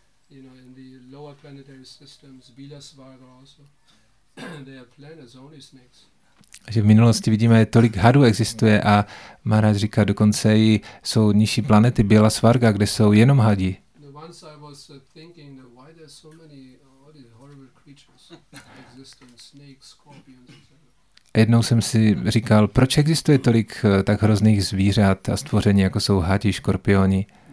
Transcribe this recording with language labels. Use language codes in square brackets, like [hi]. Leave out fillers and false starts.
[en] You know, in the lower planetary systems, Bilasvara also, there are planets, only snakes. [cs] Že v minulosti vidíme, tolik hadů existuje a Maharaj říká, dokonce i jsou nižší planety Bilasvara, kde jsou jenom hadi. [en] Once I was thinking, why there are so many all these horrible creatures existing, snakes, scorpions, etc. [cs] Jednou jsem si říkal, proč existuje tolik tak hrozných zvířat a stvoření, jako jsou hadi, škorpioni.